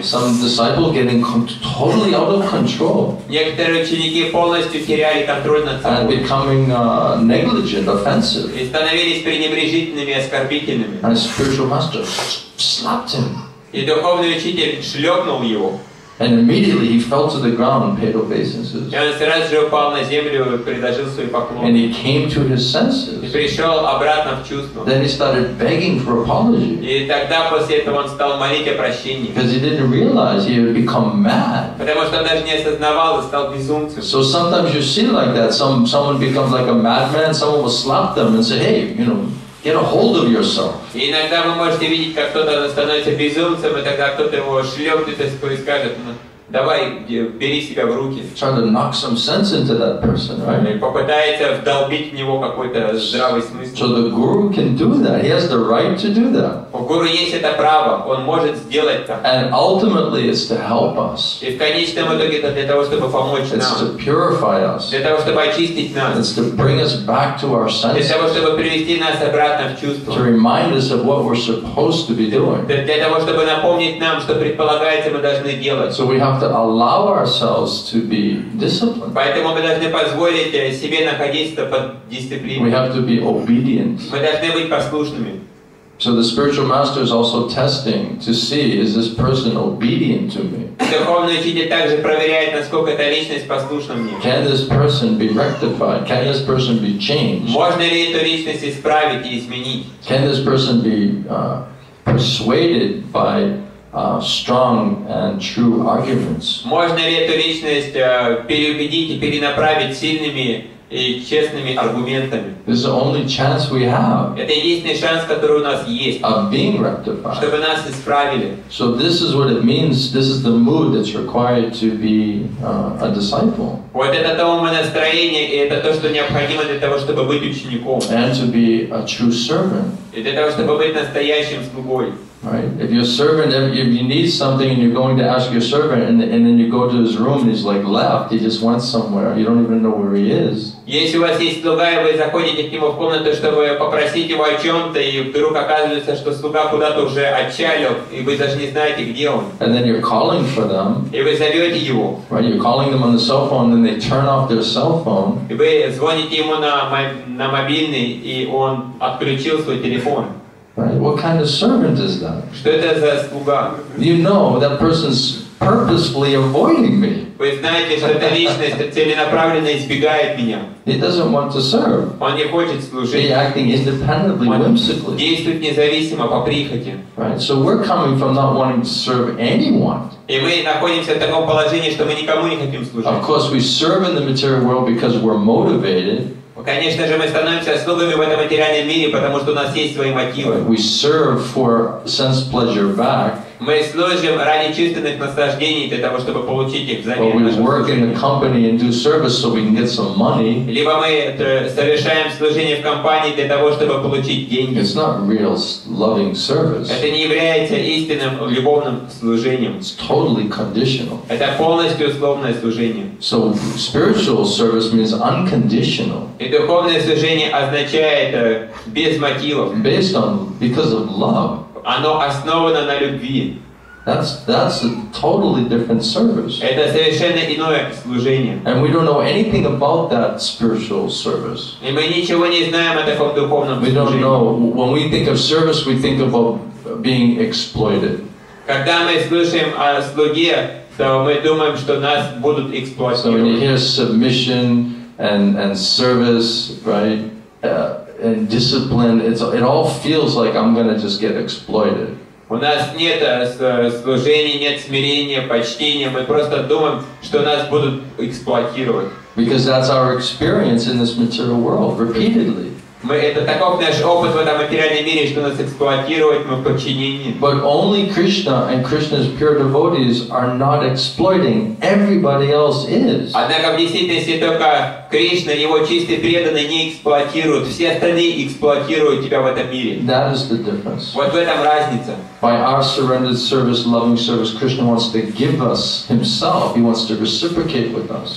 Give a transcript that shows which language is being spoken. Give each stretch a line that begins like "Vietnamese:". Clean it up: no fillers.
English: Some disciple getting totally out of control.
Russian: Некоторые ученики полностью теряли контроль над собой.
English: And becoming negligent, offensive.
Russian: И становились пренебрежительными, оскорбительными.
English: And spiritual master. Slapped him.
Russian: И духовный учитель шлепнул его.
English: And immediately he fell to the ground and paid obeisances.
Russian: И он сразу же упал на землю и предложил свой поклон.
English: And he came to his senses.
Russian: И пришел обратно в чувство.
English: Then he started begging for apology.
Russian: И тогда после этого он стал молить о прощении.
English: Because he didn't realize he had become mad.
Russian: Потому что он даже не осознавал и стал безумцем.
English: So sometimes you see like that, someone becomes like a madman. Someone will slap them and say, hey, you know. Get a hold of yourself.
Russian: И иногда вы можете видеть, как кто-то становится безумцем, и тогда кто-то его шлепнет и скажет, Давай, бери себя в руки.
English: Try to knock some sense into that person, right?
Russian: Попытается вдолбить в него какой-то здравый смысл.
English: So the guru can do that. He has the right to do that.
Russian: У гуру есть это право. Он может сделать это.
English: And ultimately, it's to help us.
Russian: И в конечном итоге это для того, чтобы помочь нам.
English: It's to purify us.
Russian: Для того, чтобы очистить нас.
English: It's to bring us back to our senses.
Russian: Для того, чтобы привести нас обратно в чувство.
English: To remind us of what we're supposed to be doing.
Russian: Для того, чтобы напомнить нам, что предполагается, мы должны делать.
English: So we have to allow ourselves to be disciplined.
Russian: Поэтому мы должны позволить себе находиться под дисциплиной.
English: We have to be obedient.
Russian: Мы должны быть послушными.
English: So the spiritual master is also testing to see, is this person obedient to me?
Russian: Духовный учитель также проверяет, насколько эта личность послушна мне.
English: Can this person be rectified? Can this person be changed?
Russian: Можно ли эту личность исправить и изменить?
English: Can this person be persuaded by strong and true arguments?
Russian: Можно ли эту личность переубедить и перенаправить сильными и честными аргументами?
English: This is the only chance we have.
Russian: Это единственный шанс, который у нас есть.
English: Of being rectified.
Russian: Чтобы нас исправили.
English: So this is what it means. This is the mood that's required to be a disciple.
Russian: Вот это то умонастроение, и это то, что необходимо для того, чтобы быть учеником.
English: And to be a true servant.
Russian: И для того, чтобы быть настоящим слугой.
English: Right. If your servant, if you need something and you're going to ask your servant, and then you go to his room and he's like left, he just went somewhere. You don't even know where he is.
Russian: Если у вас есть слуга, и вы заходите к нему в комнату, чтобы попросить его о чем-то, и вдруг оказывается, что слуга куда-то уже отчалил, и вы даже не знаете, где он.
English: And then you're calling for them.
Russian: И вы зовете его.
English: Right. You're calling them on the cell phone, then they turn off their cell phone.
Russian: И вы звоните ему на мобильный, и он отключил свой телефон.
English: Right. What kind of servant is that?
Russian: Что это за слуга?
English: You know that person's purposefully avoiding me.
Russian: Вы знаете, что эта личность целенаправленно избегает меня.
English: He doesn't want to serve.
Russian: Он не хочет служить.
English: He's acting independently, whimsically.
Russian: Он действует независимо по прихоти.
English: Right. So we're coming from not wanting to serve anyone.
Russian: И мы находимся в таком положении, что мы никому не хотим служить.
English: Of course, we serve in the material world because we're motivated.
Russian: Конечно же, мы становимся слугами в этом материальном мире, потому что у нас есть свои мотивы.
English: We serve for sense pleasure back.
Russian: Мы служим ради чувственных наслаждений для того, чтобы получить их взамен.
English: Or we work in a company and do service so we can get some money.
Russian: Либо мы совершаем служение в компании для того, чтобы получить деньги.
English: It's not real loving service.
Russian: Это не является истинным любовным служением.
English: It's totally conditional.
Russian: Это полностью условное служение.
English: So spiritual service means unconditional.
Russian: И духовное служение означает без мотивов.
English: Based on, because of love.
Russian: Оно основано на любви.
English: That's a totally different service.
Russian: Это совершенно иное служение.
English: And we don't know anything about that spiritual service.
Russian: И мы ничего не знаем о таком духовном служении.
English: We don't know. When we think of service, we think about being exploited.
Russian: Когда мы слышим о слуге, то мы думаем, что нас будут эксплуатировать.
English: So when you hear submission and service, right? And discipline, it all feels like I'm gonna just get exploited.
Russian: У нас нет служения, нет смирения, почтения. Мы просто думаем, что нас будут эксплуатировать.
English: Because that's our experience in this material world, repeatedly.
Russian: Это таков наш опыт в этом материальном мире, что нас эксплуатируют, мы в подчинении.
English: But only Krishna and Krishna's pure devotees are not exploiting. Everybody else is.
Russian: Однако в действительности только Кришна и его чистые преданные не эксплуатируют. Все остальные эксплуатируют тебя в этом мире.
English: That is the difference.
Russian: Вот в этом разница.
English: By our surrendered service, loving service, Krishna wants to give us himself. He wants to reciprocate with us.